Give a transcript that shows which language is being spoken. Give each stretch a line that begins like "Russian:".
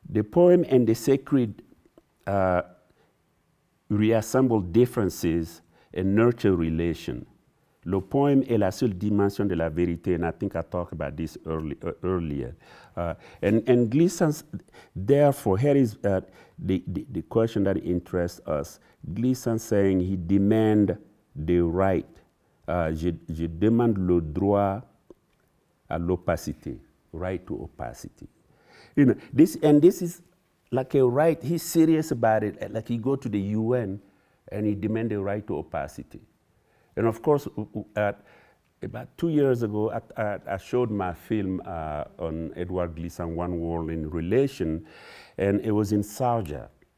English: The poem and the sacred reassemble differences and nurture relation.
French: Le poème est la seule dimension de la vérité,
English: and I think I talked about this earlier. And Gleason's, therefore, here is the question that interests us. Gleason saying he demand the right.
French: Je demande le droit à l'opacité,
English: right to opacity. You know, this, and this is like a right, he's serious about it, like he go to the UN and he demand the right to opacity. And of course, about 2 years ago, I showed my film on Edward Gleason, One World in Relation, and it was in Sarja.